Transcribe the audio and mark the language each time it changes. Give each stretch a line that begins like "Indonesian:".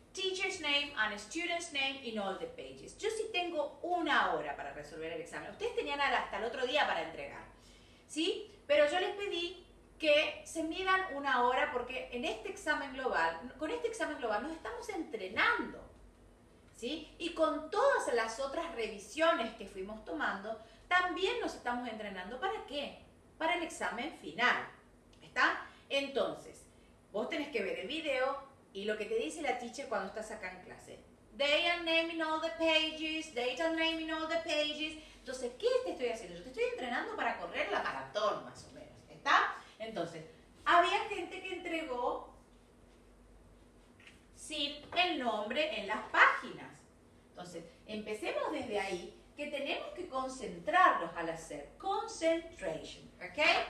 English: Teacher's name and student's name in all the pages.
Spanish: Yo sí tengo una hora para resolver el examen. Ustedes tenían hasta el otro día para entregar. ¿Sí? Pero yo les pedí que se midan una hora porque en este examen global, con este examen global nos estamos entrenando, ¿sí? Y con todas las otras revisiones que fuimos tomando, también nos estamos entrenando, ¿para qué? Para el examen final, ¿está? Entonces, vos tenés que ver el video y lo que te dice la teacher cuando estás acá en clase.
English: Day and name in all the pages, date and name in all the pages.
Spanish: Entonces, ¿qué te estoy haciendo? Yo te estoy entrenando para correr la maratón, más o menos, ¿está? Entonces, había gente que entregó sin el nombre en las páginas. Entonces, empecemos desde ahí, que tenemos que concentrarnos al hacer
English: concentration,
Spanish: ¿ok?